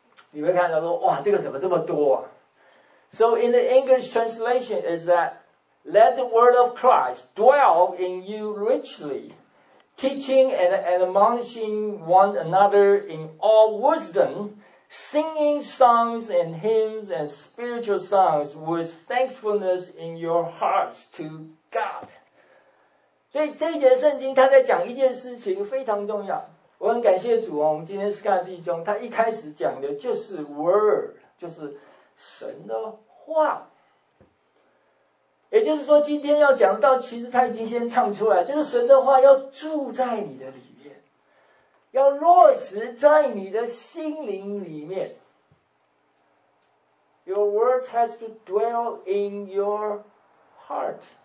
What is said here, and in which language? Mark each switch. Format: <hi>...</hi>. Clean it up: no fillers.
<zh>你会看到说，哇，这个怎么这么多啊 ？</zh> <en>So in the English translation is that let the word of Christ dwell in you richly. Teaching and admonishing one another in all wisdom, singing songs and hymns and spiritual songs with thankfulness in your hearts to God.</en> <zh>所以这一节圣经他在讲一件事情非常重要。我很感谢主哦，我们今天 Scott 弟兄他一开始讲的就是 word, 就是神的话。也就是说今天要讲到其实他已经先唱出来，就是神的话要住在你的里面，要落实在你的心灵里面。</zh> <en>Your words has to dwell in your heart.</en>